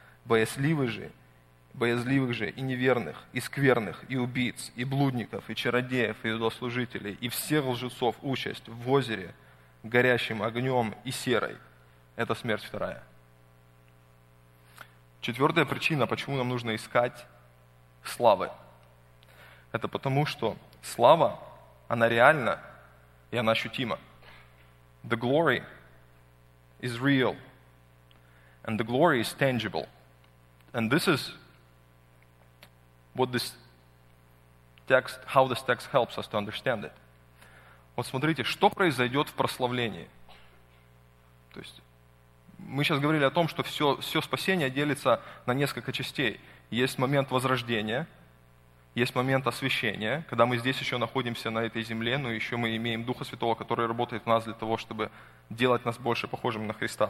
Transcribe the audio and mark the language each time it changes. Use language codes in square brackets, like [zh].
[ru] Боязливых же и неверных, и скверных, и убийц, и блудников, и чародеев, и идолослужителей, и всех лжецов участь в озере, горящим огнем и серой. Это смерть вторая. Четвертая причина, почему нам нужно искать славы. Это потому, что слава, она реальна, и она ощутима. [en] The glory is real, and the glory is tangible. And this is what this text, how this text helps us to understand it. [ru] Вот смотрите, что произойдет в прославлении. То есть Мы сейчас говорили о том, что все спасение делится на несколько частей. Есть момент возрождения, есть момент освящения, когда мы здесь еще находимся на этой земле, но еще мы имеем Духа Святого, который работает в нас для того, чтобы делать нас больше похожим на Христа.